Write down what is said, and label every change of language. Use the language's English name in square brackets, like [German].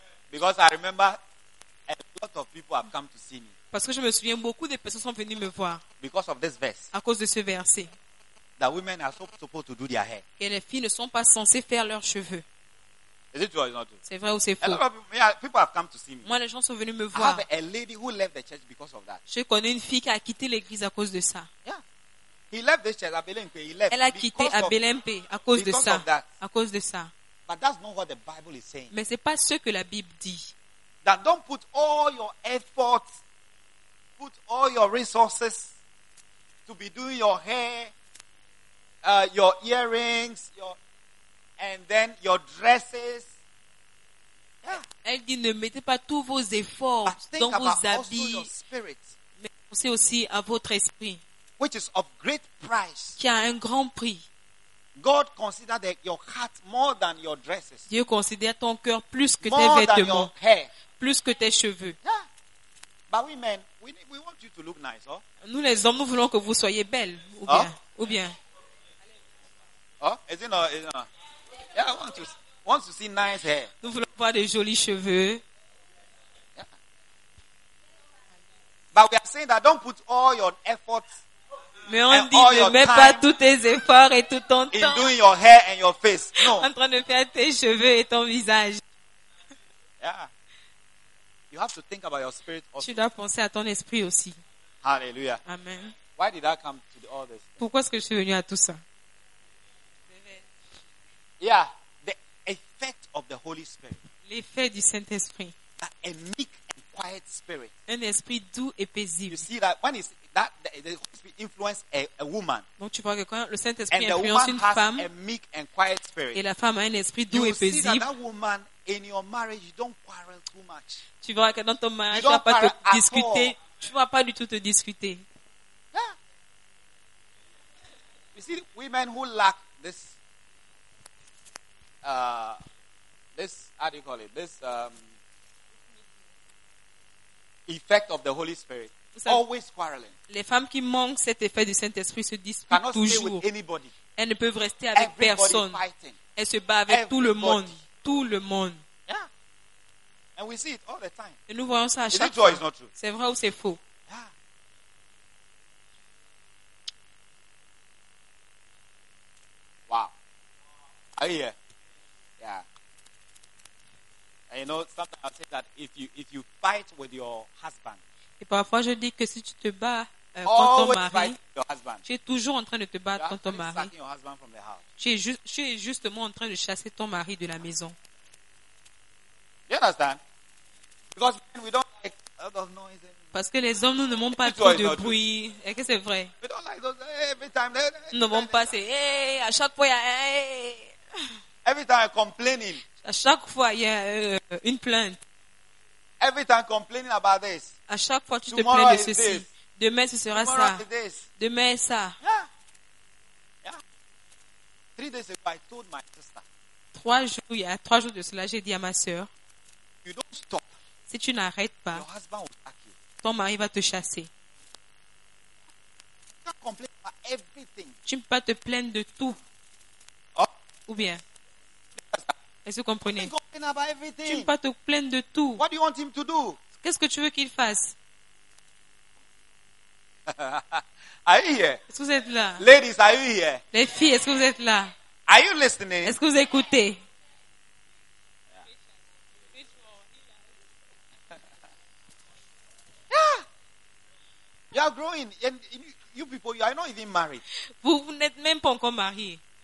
[English] Because I remember a lot of people have come to see me. [French] Parce que je me souviens, beaucoup de personnes sont venues me voir. [English] Because of this verse. [French] À cause de ce verset. [English] That women are so supposed to do their hair. [French] Que les filles ne sont pas censées faire leurs cheveux. [English] Is it true or is it not true? [French] C'est vrai ou c'est faux? [English] A lot of people have come to see me. [French] Moi, les gens sont venus me voir. [English] I have a lady who left the church because of that. [French] Je connais une fille qui a quitté l'église à cause de ça. Yeah. [English] He left this church, Abelempe. He left. [French] Elle a quitté Abelempe à cause de ça. [English] Because of that. [French] À cause de ça. [English] But that's not what the Bible is saying. [French] Mais c'est pas ce que la Bible dit. [English] That don't put all your efforts, put all your resources to be doing your hair, your earrings, and then your dresses. Yeah. [French] Elle dit ne mettez pas tous vos efforts dans vos habits. [English] Your spirit, [French] mais pensez aussi à votre esprit, [English] which is of great price. [French] Qui a un grand prix. [English] God considers that your heart more than your dresses. [French] Dieu considère ton cœur plus que [English] more [French] tes vêtements, [English] than your hair. [French] Plus que tes cheveux. Yeah. [English] But women, we want you to look nice, oh? [French] Nous les hommes, nous voulons que vous soyez belles, ou bien, oh? Ou bien. [English] Oh, is it not? Yeah, I want to see nice hair. [French] Nous voulons voir des jolis cheveux. Yeah. [English] But we are saying that don't put all your efforts. [French] Mais on dit ne mets pas tous tes efforts et tout ton temps. [English] In doing your hair and your face. No. [French] En train de faire tes cheveux et ton visage. Yeah. [English] You have to think about your spirit also. [French] Tu dois penser à ton esprit aussi. Hallelujah. Amen. [English] Why did I come to all this? [French] Pourquoi est-ce que je suis venu à tout ça? [English] Yeah, the effect of the Holy Spirit. [French] L'effet du Saint-Esprit. [English] A meek and quiet spirit. [French] Un esprit doux et paisible. [English] You see that when the Holy Spirit influences a woman. [French] Donc tu vois que quand le Saint-Esprit influence une femme, [English] a meek and quiet spirit. [French] Et la femme a un esprit doux et paisible. [English] You see that woman in your marriage, you don't quarrel too much. [French] Tu vois que dans ton mariage, tu vas pas te discuter. Tu vas pas du tout te discuter. [English] Yeah. You see, women who lack this how do you call it? This effect of the Holy Spirit. Always quarreling. [French] Les femmes qui manquent cet effet du Saint-Esprit se disputent toujours. Elles ne peuvent rester avec personne. Elles se battent avec tout le monde. Tout le monde. Yeah. [English] And we see it all the time. [French] Et nous voyons ça à chaque fois. C'est vrai ou c'est faux? Yeah. [English] Wow. Are you here? Yeah. And you know, sometimes I say that if you fight with your husband. [French] Et parfois je dis que si tu te bats contre ton mari, tu es toujours en train de te battre contre ton mari. Tu es justement en train de chasser ton mari de la maison. [English] You understand? Because we don't like a lot of noise. [French] Parce que les hommes, nous ne montons pas trop de bruit. Et que c'est vrai. [English] We don't like those every time. [French] Nous ne montons pas c'est à chaque fois. [English] Every time complaining. [French] À chaque fois il y a une plainte. [English] Every time complaining about this. [French] À chaque fois tu [English] tomorrow [French] te plains de ceci. [English] This. [French] Demain ce sera [English] tomorrow [French] ça. [English] This. [French] Demain ça. Yeah. Yeah. [English] 3 days ago, I told my sister. [French] Trois jours de cela, j'ai dit à ma sœur. [English] You don't stop. [French] Si tu n'arrêtes pas, [English] your husband will attack you. [French] Ton mari va te chasser. [English] You can't complain about everything. [French] Tu ne peux pas te plaindre de tout. Oh. Ou bien. Est-ce que vous comprenez? Tu ne peux pas te plaindre de tout. [English] What do you want him to do? [French] Qu'est-ce que tu veux qu'il fasse? [English] Are you here? [French] Est-ce que vous êtes là? [English] Ladies, are you here? [French] Les filles, est-ce que vous êtes là? [English] Are you listening? [French] Est-ce que vous écoutez? [English] Yeah. You are growing. And you people, you are not even married. [French] Vous n'êtes même pas encore mariés.